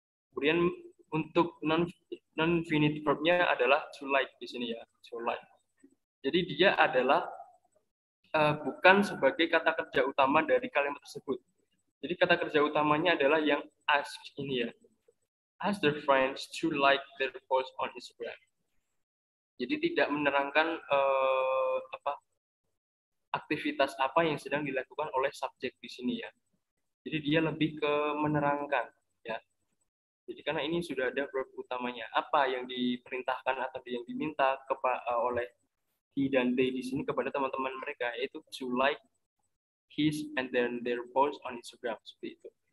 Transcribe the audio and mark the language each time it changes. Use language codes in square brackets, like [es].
[id] Kemudian untuk non non finite verbnya adalah to like di sini ya, to like. Jadi dia adalah bukan sebagai kata kerja utama dari kalimat tersebut. Jadi kata kerja utamanya adalah yang ask ini ya. [en] Ask their friends to like their post on Instagram. [id] Jadi tidak menerangkan apa aktivitas apa yang sedang dilakukan oleh subjek di sini ya. Jadi dia lebih ke menerangkan ya. Jadi karena ini sudah ada verb utamanya, apa yang diperintahkan atau yang diminta oleh he dan they di sini kepada teman-teman mereka, yaitu [en] to like his and then their post on Instagram [id] seperti itu.